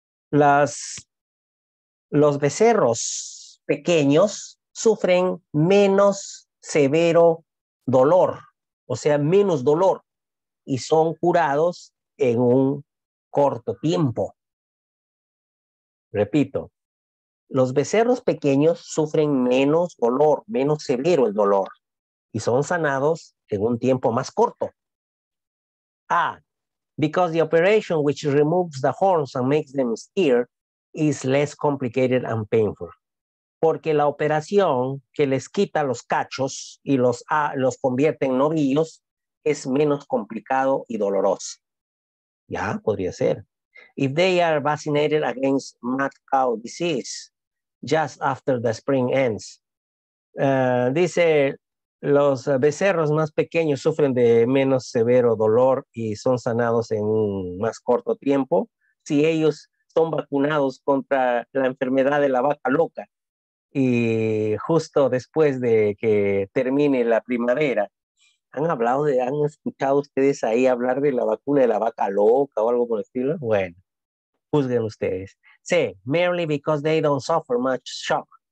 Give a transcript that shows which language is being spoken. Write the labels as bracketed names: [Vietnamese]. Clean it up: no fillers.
[Spanish] Los becerros pequeños sufren menos severo dolor, o sea, menos dolor, y son curados en un corto tiempo. Repito, los becerros pequeños sufren menos dolor, menos severo el dolor, y son sanados en un tiempo más corto. [English] A, because the operation which removes the horns and makes them steer is less complicated and painful. [Spanish] Porque la operación que les quita los cachos y los convierte en novillos es menos complicado y doloroso. Ya, podría ser. [English] If they are vaccinated against mad cow disease just after the spring ends. [Spanish] Dice, los becerros más pequeños sufren de menos severo dolor y son sanados en un más corto tiempo si ellos son vacunados contra la enfermedad de la vaca loca y justo después de que termine la primavera. ¿Han escuchado ustedes ahí hablar de la vacuna de la vaca loca o algo por el estilo? Bueno, juzguen ustedes. [English] C, merely because they don't suffer much shock.